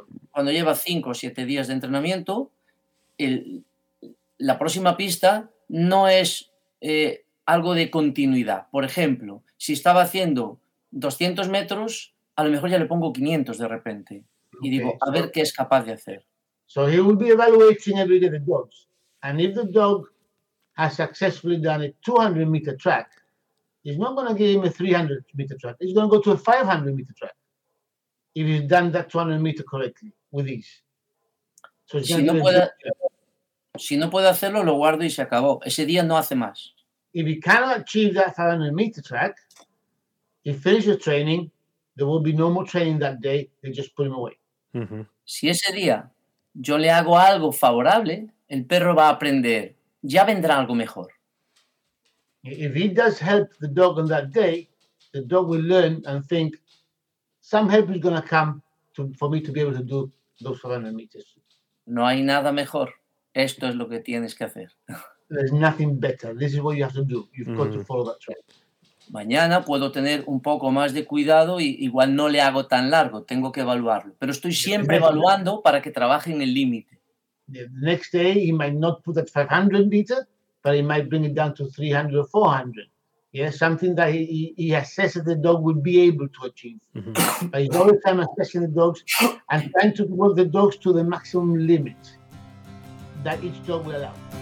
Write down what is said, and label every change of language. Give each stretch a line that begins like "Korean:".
Spanish: Cuando lleva 5 o 7 días de entrenamiento, la próxima pista no es algo de continuidad. Por ejemplo, si estaba haciendo 200 metros, a lo mejor ya le pongo 500 de repente. Okay. Y digo, a ver qué es capaz de hacer.
English: So he will be evaluating every day the dogs. And if the dog has successfully done a 200-meter track, is not going to give him a 300-meter track. He's going to go to a 500-meter track if he's done that 200-meter correctly with these. So he's going
Spanish: Si no puede hacerlo, lo guardo y se acabó. Ese día no hace más.
English: If he cannot achieve that 500-meter track, he finishes training, there will be no more training that day, they just put him away. Mm-hmm.
Spanish: Si ese día yo le hago algo favorable, el perro va a aprender. Ya vendrá algo mejor.
English: If he does help the dog on that day, the dog will learn and think, some help is going to come for me to be able to do those 500 meters.
Spanish: No hay nada mejor. Esto es lo que tienes que hacer.
English: There's nothing better. This is what you have to do. You've got to follow that track.
Spanish: Mañana puedo tener un poco más de cuidado y igual no le hago tan largo. Tengo que evaluarlo. Pero estoy siempre evaluando para que trabaje en el límite.
English: The next day he might not put at 500 meters, but he might bring it down to 300 or 400. Yeah, something that he assesses the dog would be able to achieve. Mm-hmm. But he's all the time assessing the dogs and trying to work the dogs to the maximum limit that each dog will allow.